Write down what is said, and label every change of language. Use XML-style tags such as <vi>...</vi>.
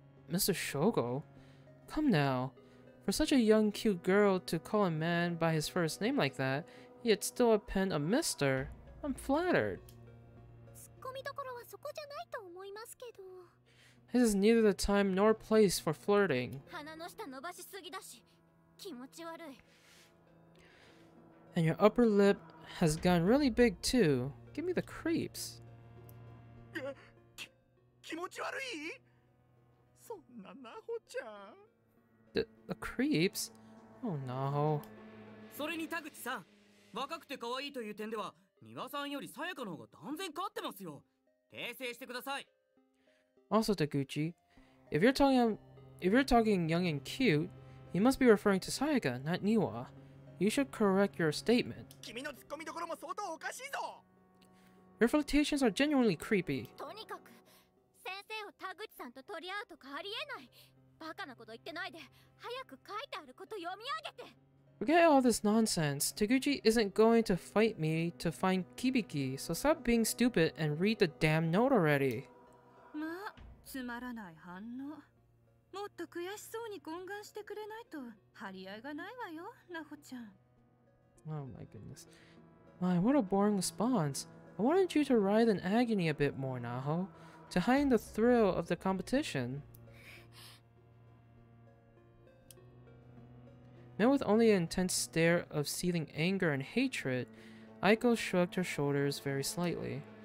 <en>Mr. Shogo? Come now. For such a young cute girl to call a man by his first name like that, yet still append a mister, I'm flattered.</en> <ja>ツッコミどころはそこじゃないと思いますけど。</ja> <en>This is neither the time nor place for flirting.</en> <ja>鼻の下伸ばしすぎだし、気持ち悪い。</ja> <en>And your upper lip has gotten really big too. Give me the creeps.</en> <ja>気持ち悪い？そんなナホちゃん。</ja> <en>The creeps? Oh no.</en> <ja>それに田口さん、若くて可愛いという点では、庭さんよりさやかの方が断然勝ってますよ。訂正してください。</ja> <en>Also, Taguchi, if you're talking young and cute, you must be referring to Sayaka, not Niwa. You should correct your statement.</en> <ja>君のツッコミどころも相当おかしいぞ。</ja> <en>Your flirtations are genuinely creepy.</en> <ja>とにかく、先生を田口さんと取り合うとかありえない。バカなこと言ってないで、早く書いてあること読み上げて。</ja> <en>Forget all this nonsense. Taguchi isn't going to fight me to find Kibiki, so stop being stupid and read the damn note already.</en> <ja>まあ、つまらない反応。もっと悔しそうに懇願してくれないと張り合いがないわよ、ナホちゃん。</ja> <en>Oh my goodness. My, what a boring response. I wanted you to writhe in agony a bit more, Naho, to heighten the thrill of the competition. Met with only an intense stare of seething anger and hatred, Aiko shrugged her shoulders very slightly.</en>